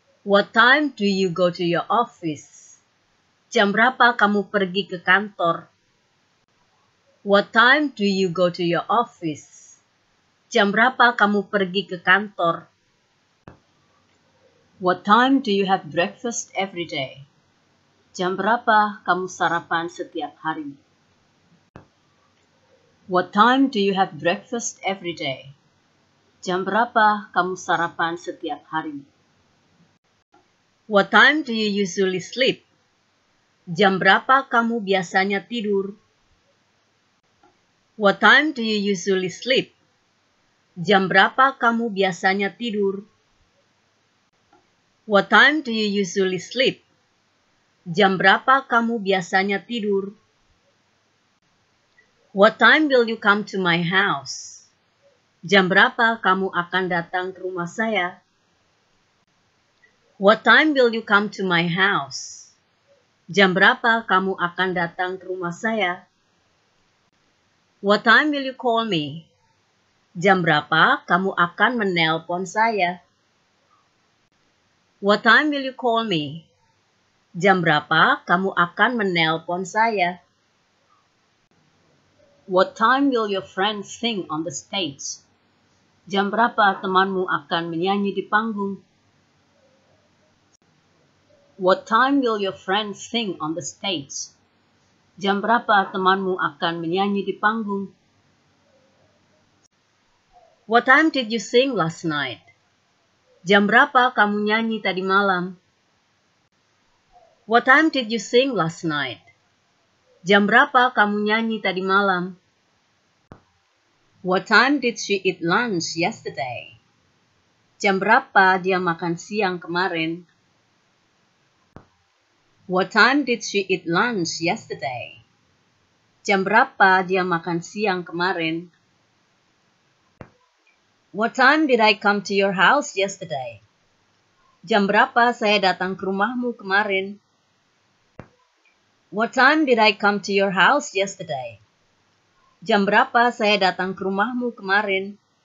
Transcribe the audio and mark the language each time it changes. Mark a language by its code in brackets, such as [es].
[en] What time do you go to your office? [id] Jam berapa kamu pergi ke kantor? [en] What time do you go to your office? [id] Jam berapa kamu pergi ke kantor? [en] What time do you have breakfast every day? [id] Jam berapa kamu sarapan setiap hari? [en] What time do you have breakfast every day? [id] Jam berapa kamu sarapan setiap hari? [en] What time do you usually sleep? [id] Jam berapa kamu biasanya tidur? [en] What time do you usually sleep? [id] Jam berapa kamu biasanya tidur? [en] What time do you usually sleep? [id] Jam berapa kamu biasanya tidur? [en] What time will you come to my house? [id] Jam berapa kamu akan datang ke rumah saya? [en] What time will you come to my house? [id] Jam berapa kamu akan datang ke rumah saya? [en] What time will you call me? [id] Jam berapa kamu akan menelpon saya? [en] What time will you call me? [id] Jam berapa kamu akan menelpon saya? [en] What time will your friend sing on the stage? [id] Jam berapa temanmu akan menyanyi di panggung? [en] What time will your friend sing on the stage? [id] Jam berapa temanmu akan menyanyi di panggung? [en] What time did you sing last night? [id] Jam berapa kamu nyanyi tadi malam? [en] What time did you sing last night? [id] Jam berapa kamu nyanyi tadi malam? [en] What time did she eat lunch yesterday? [id] Jam berapa dia makan siang kemarin? [en] What time did she eat lunch yesterday? [id] Jam berapa dia makan siang kemarin? [en] What time did I come to your house yesterday? [id] Jam berapa saya datang ke rumahmu kemarin? [en] What time did I come to your house yesterday? [id] Jam berapa saya datang ke rumahmu kemarin?